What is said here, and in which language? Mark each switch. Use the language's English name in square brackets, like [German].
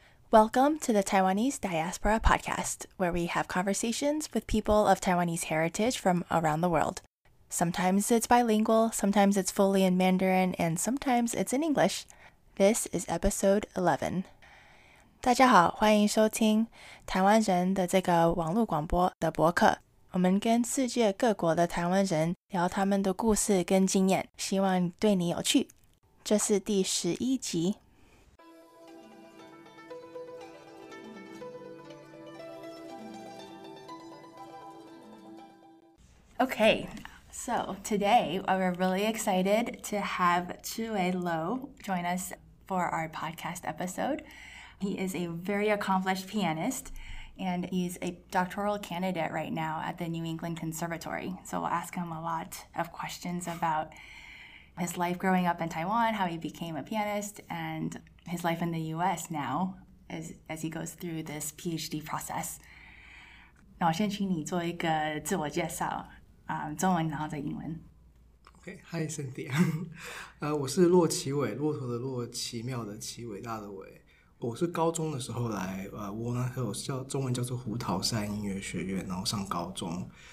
[English] Welcome to the Taiwanese Diaspora Podcast, where we have conversations with people of Taiwanese heritage from around the world. Sometimes it's bilingual, sometimes it's fully in Mandarin, and sometimes it's in English. This is episode 11. [Chinese] 大家好，欢迎收听台湾人的这个网络广播的播客。我们跟世界各国的台湾人聊他们的故事跟经验，希望对你有趣。这是第11集。 [English] Okay, so today we're really excited to have Chiwei Lo join us for our podcast episode. He is a very accomplished pianist and he's a doctoral candidate right now at the New England Conservatory. So we'll ask him a lot of questions about his life growing up in Taiwan, how he became a pianist, and his life in the US now as he goes through this PhD process. [Chinese] 那我先请你做一个自我介绍。中文然后再英文。 [English] Okay, hi Cynthia. [Chinese] 我是骆奇伟，骆驼的骆，奇妙的奇，伟大的伟。我是高中的时候来我那时候叫中文叫做胡桃山音乐学院，然后上高中。